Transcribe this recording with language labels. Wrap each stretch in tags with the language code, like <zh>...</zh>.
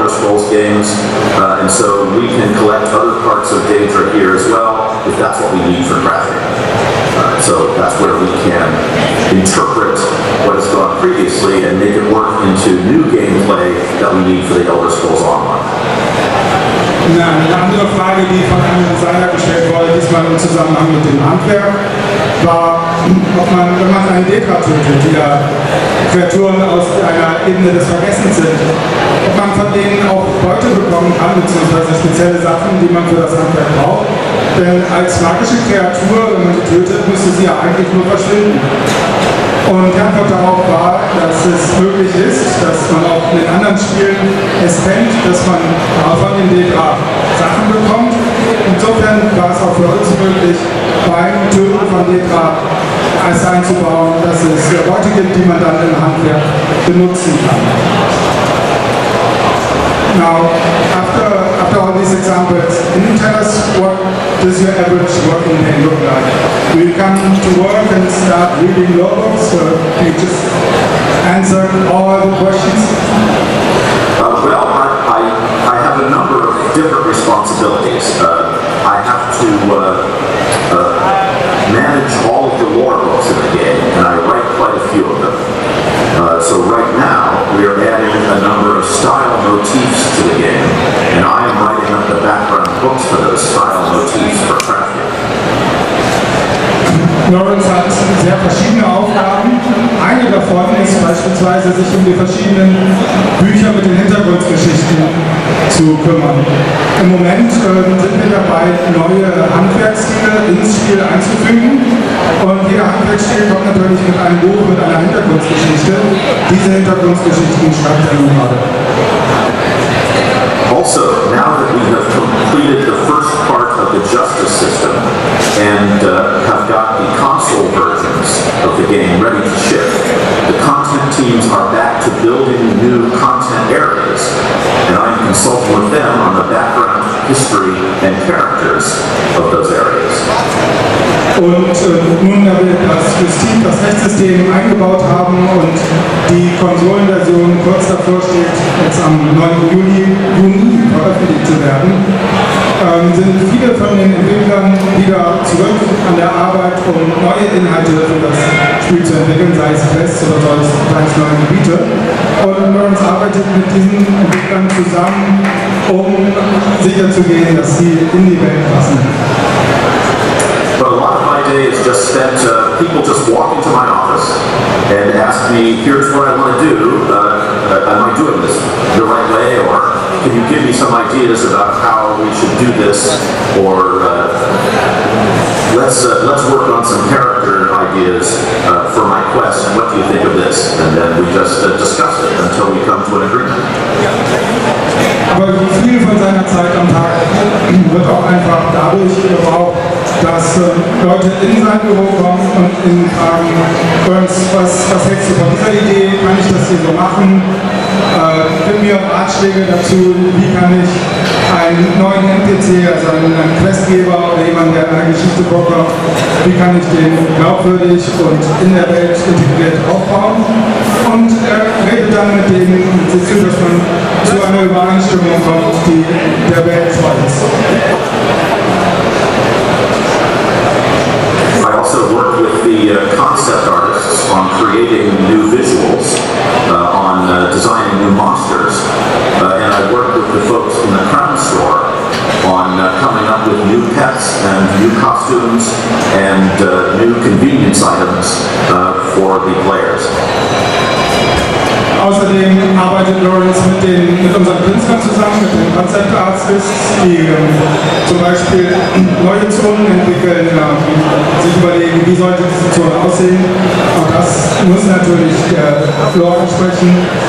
<en>Elder Scrolls games, and so we can collect other parts of Daedra here as well, if that's what we need for crafting. So that's where we can interpret what has gone previously and make it work into new gameplay that we need for the Elder Scrolls Online.</en> <de>Eine andere Frage, die von einem Designer gestellt wurde, diesmal im Zusammenhang mit dem Handwerk, war, ob man, wenn man eine Dekra tötet, die ja Kreaturen aus einer Ebene des Vergessens sind, ob man von denen auch Beute bekommen kann, beziehungsweise spezielle Sachen, die man für das Handwerk braucht. Denn als magische Kreatur, wenn man sie tötet, müsste sie ja eigentlich nur verschwinden. Und die Antwort darauf war, dass es möglich ist, dass man auch in anderen Spielen es kennt, dass man von den Dekra Sachen bekommt. Insofern war es auch für uns möglich, beim Töten von Dekra alles einzubauen, dass es Worte gibt, die man dann im Handwerk benutzen kann.</de> <en>Now, after all these examples, can you tell us what does your average working day look like? Do you come to work and start reading logos, or do you just answer all the questions? Well, I have a number of different responsibilities. I have to manage all of the lore books in the game, and I write quite a few of them. So right now, we are adding a number of style motifs to the game, and I am writing up the background books for those style motifs for crafting.</en> <de>Lawrence hat sehr verschiedene Aufgaben. Eine davon ist beispielsweise, sich um die verschiedenen Bücher mit den Hintergrundgeschichten zu kümmern. Im Moment sind wir dabei, neue Handwerksstile ins Spiel einzufügen. Und jeder Handwerksstil kommt natürlich mit einem Buch, mit einer Hintergrundgeschichte. Diese Hintergrundgeschichten schreibt er nun gerade.</de> <en>Also, now that we have completed the first part of the justice system and have got the console versions of the game ready to ship, the content teams are back to building new content areas, and I'm consulting with them on the background, history, and characters of those areas.</en> <de>Und nun, da wir das Team, das Rechtssystem eingebaut haben und die Konsolenversion kurz davor steht, jetzt am 9. Juni veröffentlicht zu werden, sind viele von den Entwicklern wieder zurück an der Arbeit, um neue Inhalte für das Spiel zu entwickeln, sei es Quests oder sonst ganz neue Gebiete. Und Lawrence arbeitet mit diesen Entwicklern zusammen, um sicherzugehen, dass sie in die Welt passen.</de> <en>But a lot of my day is just spent, people just walk into my office and ask me, here's what I want to do, am I doing this the right way, or can you give me some ideas about how we should do this, or let's work on some character ideas for my quest, what do you think of this, and then we just discuss it until we come to an agreement.</en> <de>Aber wie viel von seiner Zeit am Tag wird auch einfach dadurch gebraucht, dass Leute in sein Büro kommen und ihn fragen, was hältst du von dieser Idee, kann ich das hier so machen, gib mir Ratschläge dazu, wie kann ich einen neuen NPC, also einen Questgeber oder jemanden, der eine Geschichte bekommt, wie kann ich den glaubwürdig und in der Welt integriert aufbauen. Und er redet dann mit dem System, dass man zu einer Übereinstimmung kommt, die der Welt treu ist.</de> <en>I also work with the concept artists on creating new visuals, on designing new monsters, and I work with the folks in the Crown Store on coming up with new pets and new costumes and new convenience items for the players.</en> <de>Außerdem arbeitet Lawrence mit unseren Künstlern zusammen, mit den Concept Artists, die zum Beispiel neue Zonen entwickeln, sich überlegen, wie sollte diese Zone aussehen. Auch das muss natürlich der Floor ansprechen.</de>